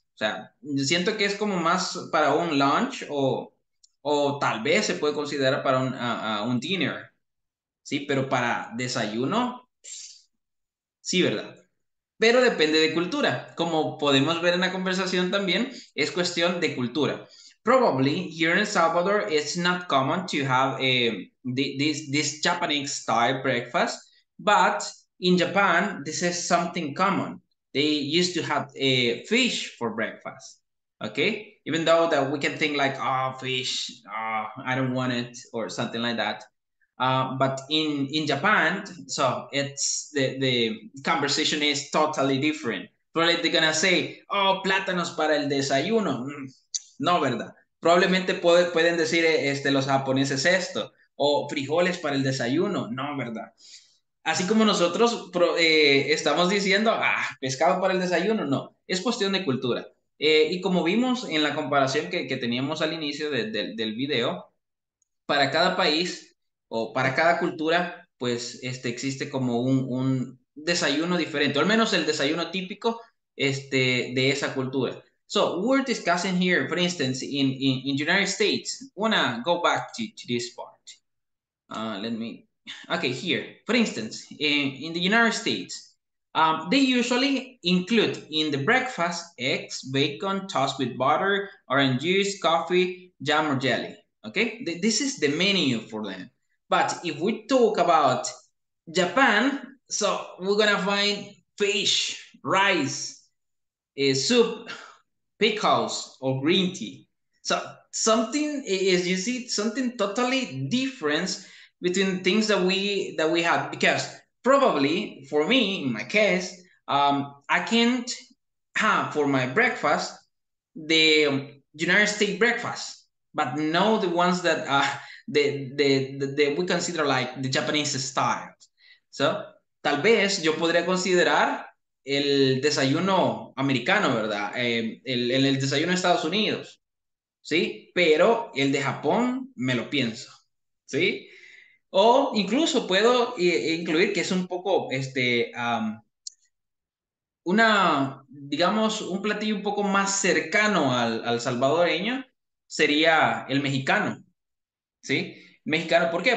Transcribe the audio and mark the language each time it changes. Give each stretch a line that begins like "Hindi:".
Spanish: O sea, siento que es como más para un lunch o tal vez se puede considerar para un dinner. Sí, pero para desayuno, sí, ¿verdad? Pero depende de cultura. Como podemos ver en la conversación también, es cuestión de cultura.
English: Probably here in Salvador, it's not common to have this Japanese style breakfast, but in Japan, this is something common. They used to have fish for breakfast, okay? Even though that we can think like, oh, fish, oh, I don't want it, or something like that. But in Japan, so it's the conversation is totally different. Probably they're gonna say, oh,
Spanish: plátanos para el desayuno. No, ¿verdad? Probablemente pueden decir los japoneses esto, o frijoles para el desayuno. No, ¿verdad? Así como nosotros estamos diciendo, ah, pescado para el desayuno. No, es cuestión de cultura. Y como vimos en la comparación que teníamos al inicio del video, para cada país o para cada cultura, pues existe como un desayuno diferente, o al menos el desayuno típico de esa cultura.
English: So, we're discussing here, for instance, in the United States. I want to go back to this part. Okay, here. For instance, in the United States, they usually include in the breakfast eggs, bacon, tossed with butter, orange juice, coffee, jam or jelly. Okay, this is the menu for them. But if we talk about Japan, so we're going to find fish, rice, soup, pickles or green tea. So something is, you see, something totally different between things that we have, because probably for me, in my case, I can't have for my breakfast the United States breakfast, but no the ones that the we consider like the Japanese style.
Spanish: So tal vez yo podría considerar el desayuno americano, ¿verdad? El desayuno de Estados Unidos, ¿sí? Pero el de Japón me lo pienso, ¿sí? O incluso puedo incluir que es un poco, un platillo un poco más cercano al salvadoreño sería el mexicano, ¿sí? Mexicano, ¿por qué?